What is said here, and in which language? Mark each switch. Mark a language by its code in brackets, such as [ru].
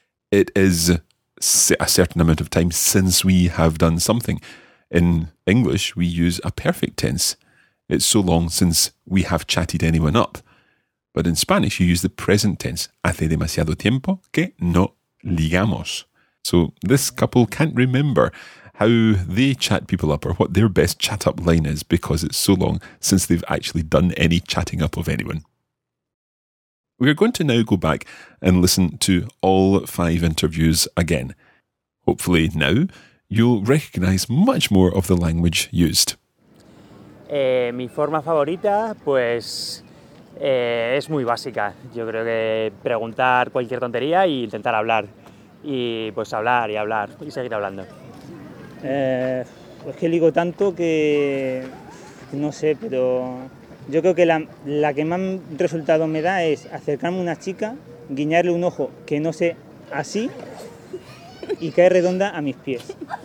[en] It is a certain amount of time since we have done something. In English, we use a perfect tense. It's so long since we have chatted anyone up. But in Spanish, you use the present tense. [es] Hace demasiado tiempo que no ligamos. [en] So this couple can't remember how they chat people up or what their best chat-up line is because it's so long since they've actually done any chatting up of anyone. We're going to now go back and listen to all five interviews again. Hopefully now you'll recognize much more of the language used. [es] Mi forma favorita, pues, es muy básica. Yo creo que preguntar cualquier tontería e intentar hablar. Y pues hablar y hablar y seguir hablando. Pues que ligo tanto que no sé, pero yo creo que la que más resultado me da es acercarme a una chica, guiñarle un ojo que no sé así y cae redonda a mis pies.